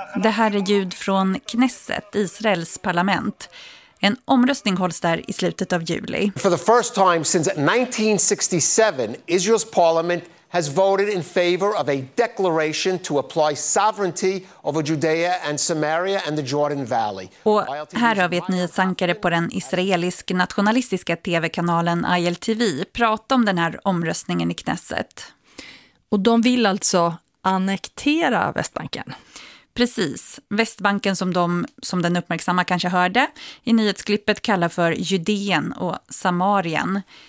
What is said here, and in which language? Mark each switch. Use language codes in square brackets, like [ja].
[sv] Det här är ljud från Knesset, Israels parlament. En omröstning hålls där i slutet av juli. [en] For the first time since 1967, Israel's parliament has voted in favor of a declaration to apply sovereignty over Judea and Samaria and the Jordan Valley. [sv] Och här har vi ett nyhetsankare på den israelisk nationalistiska tv-kanalen ILTV prata om den här omröstningen i Knesset. Och de vill alltså annektera Västbanken. Precis, Västbanken som den uppmärksamma kanske hörde i nyhetsklippet kallar för Judeen och Samarien.